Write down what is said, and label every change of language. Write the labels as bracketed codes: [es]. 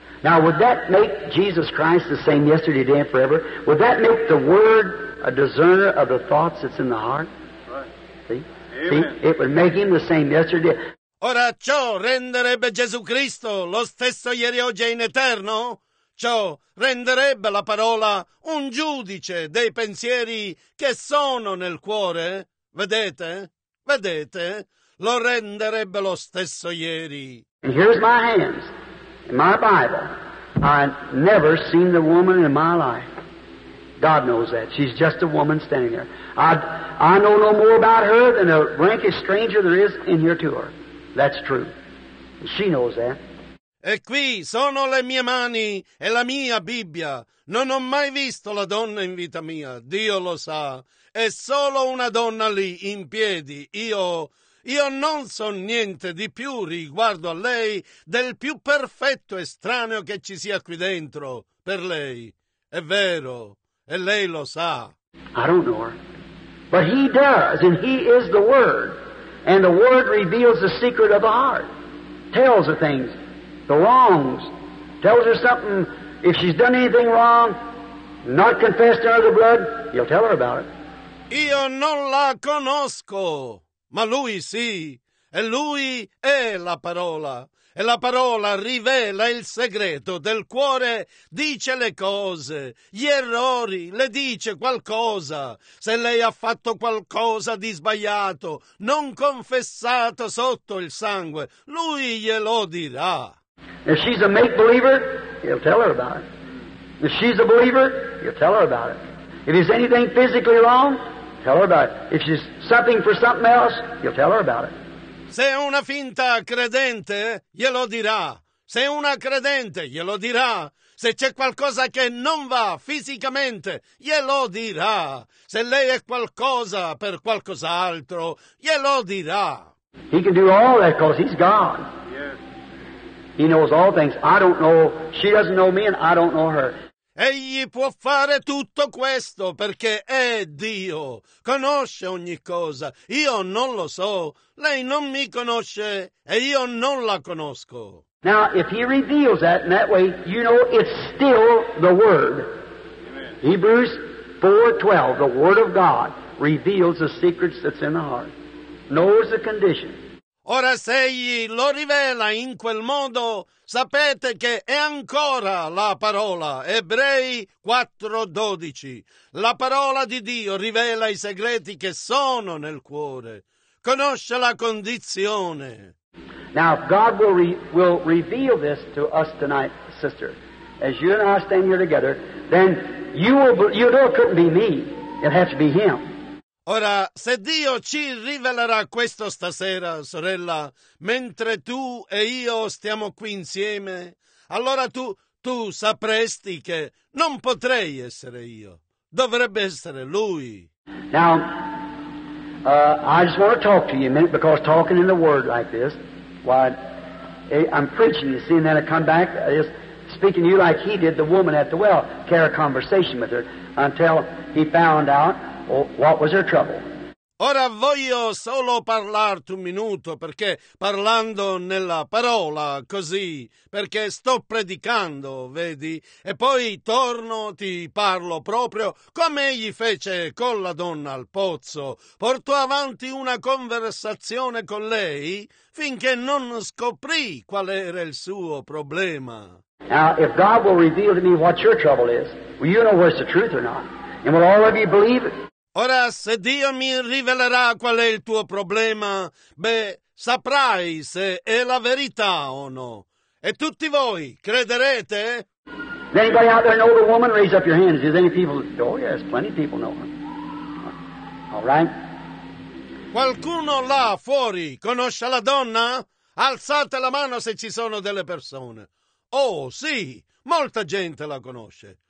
[en] Now, would that make Jesus Christ the same yesterday, today, and forever? Would that make the Word a discerner of the thoughts that's in the heart? Right. See? Amen. See? It would make Him the same yesterday. [it] Ora, ciò renderebbe Gesù Cristo lo stesso ieri, oggi e in eterno? Ciò renderebbe la parola un giudice dei pensieri che sono nel cuore? Vedete? Vedete? Lo renderebbe lo stesso ieri. [en] And here's my hands, in my Bible. I've never seen the woman in my life. God knows that. She's just a woman standing there. I know no more about her than the rankest stranger there is in here to her. That's true. She knows that. [it] E qui sono le mie mani e la mia Bibbia. Non ho mai visto la donna in vita mia, Dio lo sa. È solo una donna lì, in piedi. Io non so niente di più riguardo a lei del più perfetto estraneo che ci sia qui dentro per lei. È vero, e lei lo sa. [en] I don't know her, but he does, and he is the Word, and the Word reveals the secret of the heart, tells the things, the wrongs, tells her something. If she's done anything wrong, not confessed under the blood, he'll tell her about it. [it] Io non la conosco, ma lui sì, e lui è la parola. E la parola rivela il segreto del cuore, dice le cose, gli errori, le dice qualcosa. Se lei ha fatto qualcosa di sbagliato, non confessato sotto il sangue, lui glielo dirà. [en] If she's a make believer, he'll tell her about it. If she's a believer, he'll tell her about it. If there's anything physically wrong, tell her about it. If she's something for something else, he'll tell her about it. [it] Se è una finta credente, glielo dirà. Se è una credente, glielo dirà. Se c'è qualcosa che non va fisicamente, glielo dirà. Se lei è qualcosa per qualcos'altro, glielo dirà. [en] He can do all that because he's God. Yes. He knows all things. I don't know. She doesn't know me and I don't know her. [it] Egli può fare tutto questo perché è Dio, conosce ogni cosa. Io non lo so, lei non mi conosce e io non la conosco. [en] Now, if he reveals that in that way, you know it's still the Word. Amen. Hebrews 4:12, the Word of God reveals the secrets that's in the heart, knows the condition. [it] Ora se egli lo rivela in quel modo, sapete che è ancora la parola, Ebrei 4:12. La parola di Dio rivela i segreti che sono nel cuore. Conosce la condizione. [en] Now, if God will reveal this to us tonight, sister, as you and I stand here together, then you know it couldn't be me, it has to be him. [it] Ora, se Dio ci rivelerà questo stasera, sorella, mentre tu e io stiamo qui insieme, allora tu sapresti che non potrei essere io. Dovrebbe essere Lui. [en] Now, I just want to talk to you a minute, because talking in the Word like this, while I'm preaching, you see, and then I come back, just speaking to you like he did the woman at the well, carry a conversation with her, until he found out. What was her trouble? [it] Ora voglio solo parlarti un minuto, perché parlando nella parola così, perché sto predicando, vedi, e poi torno, ti parlo proprio come egli fece con la donna al pozzo. Portò avanti una conversazione con lei finché non scoprì qual era il suo problema. [en] Now, if God will reveal to me what your trouble is, will you know what's the truth or not? And will all of you believe it? [it] Ora, se Dio mi rivelerà qual è il tuo problema, beh, saprai se è la verità o no. E tutti voi crederete? [en] Does anybody out there know the woman? Raise up your hands. Is any people? Oh yes, plenty of people know her. All right. [it] Qualcuno là fuori conosce la donna? Alzate la mano se ci sono delle persone. Oh sì, molta gente la conosce.